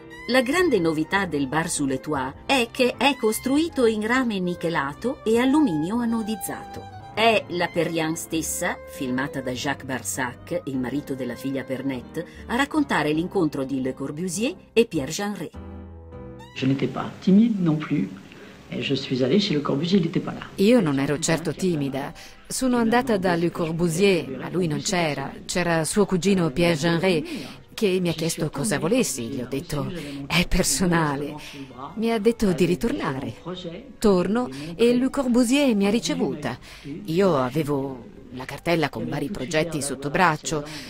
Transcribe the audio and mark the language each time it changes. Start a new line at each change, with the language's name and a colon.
Italian: La grande novità del Bar sous le Toit è che è costruito in rame nichelato e alluminio anodizzato. È la Perriand stessa, filmata da Jacques Barsac, il marito della figlia Pernette, a raccontare l'incontro di
French: Le Corbusier
Italian: e Pierre Jeanneret.
French: Je n'étais pas timide non plus. Je suis allée chez Le Corbusier, il n'était pas là.
Italian: Io non ero certo timida. Sono andata da Le Corbusier, ma lui non c'era. C'era suo cugino Pierre Jeanneret, che mi ha chiesto cosa volessi. Gli ho detto, è personale. Mi ha detto di ritornare. Torno e Le Corbusier mi ha ricevuta. Io avevo la cartella con vari progetti sotto braccio.